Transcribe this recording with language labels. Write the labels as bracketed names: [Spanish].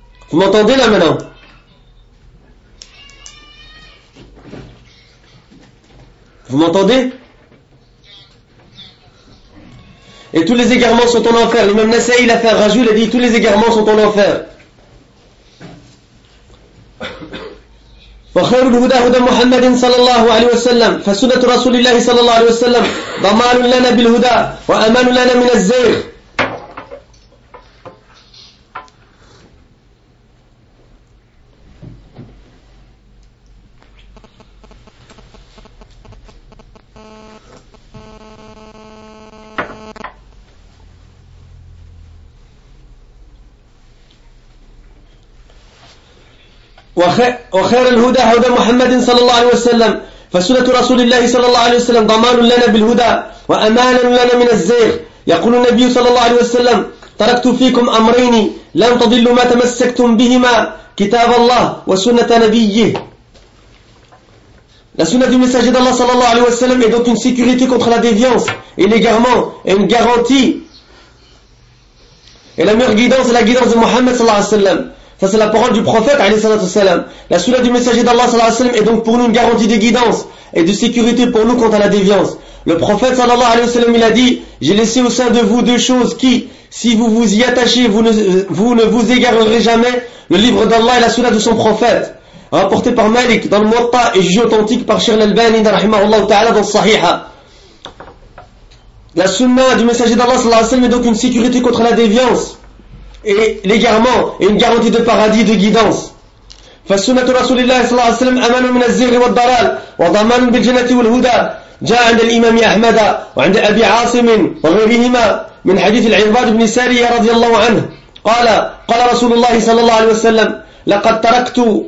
[French] Vous m'entendez là maintenant? Vous m'entendez? Et tous les égarements sont en enfer. L'imam Nasa'i, il a fait un rajout, il a dit « Tous les égarements sont en enfer ». [Arabic] وخير الهدى هدى محمد صلى الله عليه وسلم فسنة رسول الله صلى الله عليه وسلم ضمان لنا بالهدى وأمان لنا من الزيغ. وخير الهدى هدى محمد صلى الله عليه وسلم فسنة رسول الله صلى الله عليه وسلم ضمان لنا بالهدى وأمان لنا من الزيغ. يقول النبي صلى الله عليه وسلم تركت فيكم أمرين لن تضلوا ما تمسكتم بهما كتاب الله وسنة نبيه. [French] La sunna du messager d'Allah صلى الله عليه وسلم est donc une sécurité contre la déviance et l'égarement et une garantie et la meilleure guidance est la guidance de Muhammad صلى الله عليه وسلم. Ça, c'est la parole du prophète, alayhi salatu wassalam. La sunna du messager d'Allah, sallallahu alayhi wa sallam, est donc pour nous une garantie de guidance et de sécurité pour nous quant à la déviance. Le prophète sallallahu alayhi wa sallam il a dit, j'ai laissé au sein de vous deux choses qui, si vous vous y attachez, vous ne vous égarerez jamais, le livre d'Allah et la sunna de son prophète. Rapporté par Malik dans le Muwatta et jugé authentique par Cheikh Al-Albani rahimahullah ta'ala dans le Sahiha. La sunna du messager d'Allah sallallahu alayhi wa sallam est donc une sécurité contre la déviance et l'égarement et une garantie de paradis et de guidance. [Arabic] فالسنة رسول الله صلى الله عليه وسلم أمان من الزيغ والضلال وضمان بالجنة والهدى جاء عند الإمام أحمد وعند أبي عاصم وغيرهما من حديث العباد بن سارية رضي الله عنه قال قال رسول الله صلى الله عليه وسلم لقد تركت